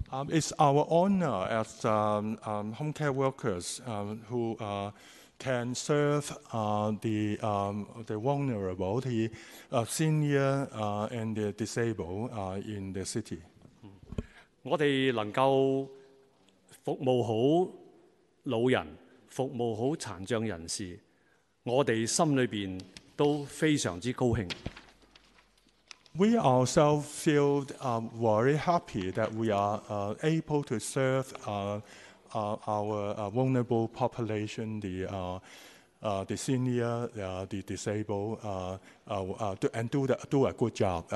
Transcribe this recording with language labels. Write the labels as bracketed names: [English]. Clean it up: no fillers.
[English] It's our honor as home care workers who can serve the vulnerable, the senior and the disabled in the city. [Cantonese] 我哋能夠 服務好老人，服務好殘障人士，我哋心裏邊都非常之高興。 [English] We ourselves feel very happy that we are able to serve our vulnerable population, the senior, the disabled, and do a good job.